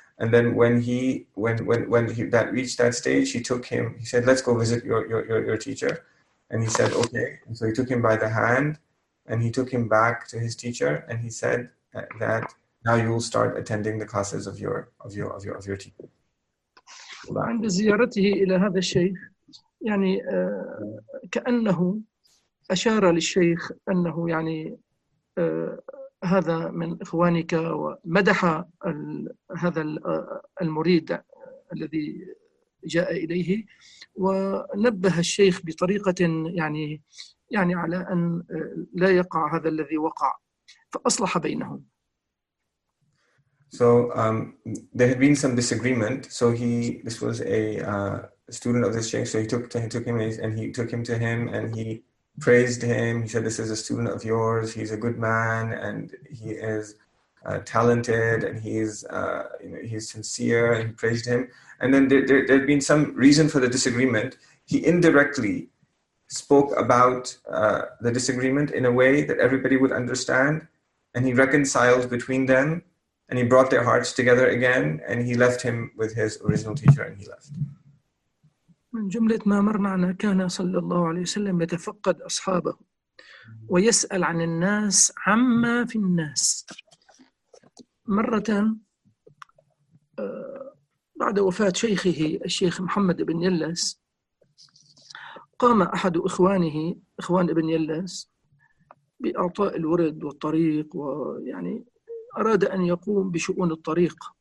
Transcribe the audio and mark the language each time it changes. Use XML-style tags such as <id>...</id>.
<en>And then when he reached that stage, he took him, he said, let's go visit your teacher. And he said, okay. And so he took him by the hand and he took him back to his teacher. And he said that now you will start attending the classes of your teacher.</en> <ar>عند زيارته إلى هذا الشيخ يعني كأنه أشار للشيخ أنه يعني هذا من إخوانك، ومدح هذا المريد الذي جاء إليه، ونبه الشيخ بطريقة يعني على أن لا يقع هذا الذي وقع، فأصلح بينهم.</ar> <en>So there had been some disagreement. So this was a student of this sheikh. So he took him to him and he praised him. He said, this is a student of yours, he's a good man and he is talented and he's sincere, and he praised him. And then there had been some reason for the disagreement. He indirectly spoke about the disagreement in a way that everybody would understand, and he reconciled between them And he brought their hearts together again, and he left him with his original teacher, and he left.</en> <ar>من جملة ما مر معنا كان صلى الله عليه وسلم يتفقد أصحابه ويسأل عن الناس عما في الناس. مرة بعد وفاة شيخه الشيخ محمد بن يلس، قام أحد إخوانه، إخوان ابن يلس، بإعطاء الورد والطريق، ويعني أراد أن يقوم بشؤون الطريق.</ar>